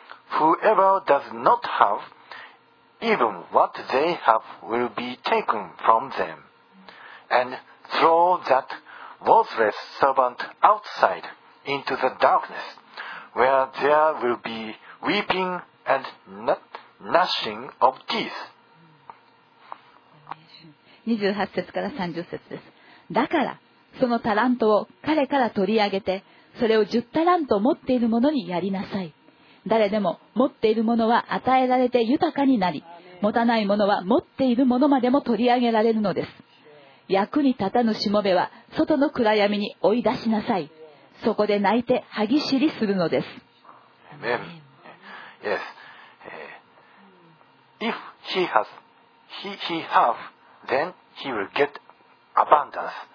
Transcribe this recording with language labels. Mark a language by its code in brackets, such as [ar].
[en] Whoever does not have, even what they have will be taken from them. And throw that worthless servant outside into the darkness, where there will be weeping and gnashing of teeth. [ja] 28節から30節です。だからそのタラントを彼から取り上げて、それを10タラント持っている者にやりなさい。誰でも持っている者は与えられて豊かになり、持たない者は持っている者までも取り上げられるのです。役に立たぬしもべは外の暗闇に追い出しなさい。そこで泣いて歯ぎしりするのです。 [en] Amen. YesIf he has, he have, then he will get abundance.